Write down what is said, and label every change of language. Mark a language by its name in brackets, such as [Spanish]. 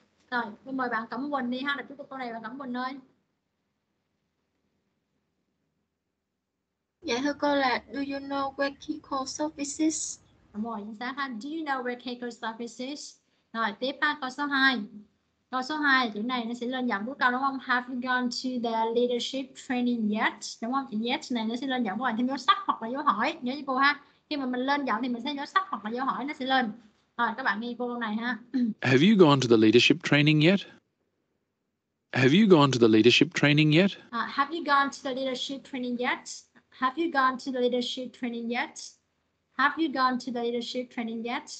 [Vietnamese] Rồi, tôi mời bạn Cẩm Quỳnh đi ha, đọc chút câu này bạn Cẩm Quỳnh ơi. Dạ thưa cô là [English] do you know where Keiko's office is? [Vietnamese] Đúng rồi, chính xác ha. [English] Do you know where Keiko's office is? [Vietnamese] Rồi, tiếp ha, câu số 2. Câu số 2, chữ này nó sẽ lên giọng cuối câu đúng không? [English] Have you gone to the leadership training yet? [Vietnamese] Đúng không? Chữ yet này nó sẽ lên giọng, các bạn thêm dấu sắc hoặc là dấu hỏi. Nhớ cho cô ha. Khi mà mình lên giọng thì mình sẽ dấu sắc hoặc là dấu hỏi nó sẽ lên. Rồi các bạn nghe cô câu này ha. [English] Have you gone to the leadership training yet? Have you gone to the leadership training yet? Have you gone to the leadership training yet? Have you gone to the leadership training yet? Have you gone to the leadership training yet?